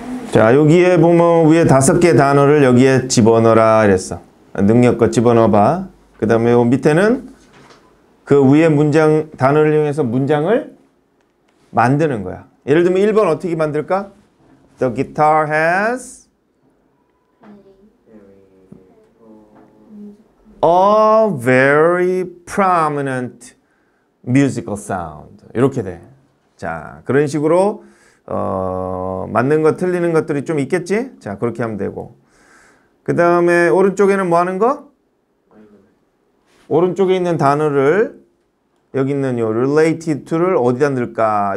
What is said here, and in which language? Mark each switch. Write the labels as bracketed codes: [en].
[ko] 자, 여기에 보면 위에 다섯 개 단어를 여기에 집어넣어라 이랬어. 능력껏 집어넣어봐. 그 다음에 요 밑에는 그 위에 문장 단어를 이용해서 문장을 만드는 거야. 예를 들면 1번 어떻게 만들까? [en] The guitar has a very prominent musical sound. [ko] 이렇게 돼. 자, 그런 식으로 맞는 것, 틀리는 것들이 좀 있겠지? 자, 그렇게 하면 되고. 그 다음에 오른쪽에는 뭐 하는 거? 오른쪽에 있는 단어를 여기 있는 요 related to를 어디다 넣을까?